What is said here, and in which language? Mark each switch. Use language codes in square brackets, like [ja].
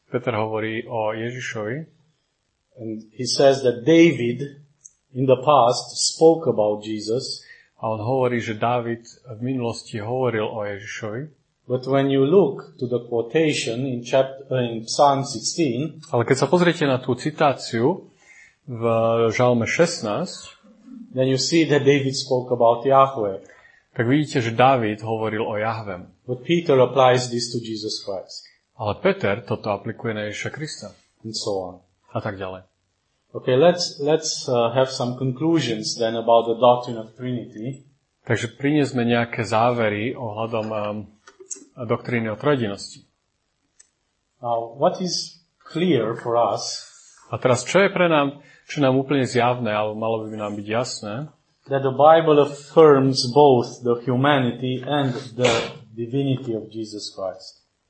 [sk] Peter hovorí o Ježišovi. [en] And he says that David in the past spoke about Jesus. [sk] A on hovorí, že Dávid v minulosti hovoril o Ježišovi. [en] But when you look to the quotation in in Psalm 16, [sk] ale keď sa pozriete na tú citáciu v Žalme 16, [en] then you see that David spoke about Yahweh. [sk] Tak vidíte, že Dávid hovoril o Jahvem. [en] But Peter applies this to Jesus Christ. [sk] Ale Peter toto aplikuje na Ježiša Krista. [en] And so on. [sk] A tak ďalej. [en] Okay, let's have some conclusions then about the doctrine of Trinity. [sk] Takže priniesme nejaké závery ohľadom doktríny o trojedinosti. [en] Now, what is clear for us? [sk] A teraz čo je pre nám, čo nám úplne zjavné, alebo malo by nám byť jasné? [en] That the Bible affirms both the humanity and the divinity of Jesus Christ.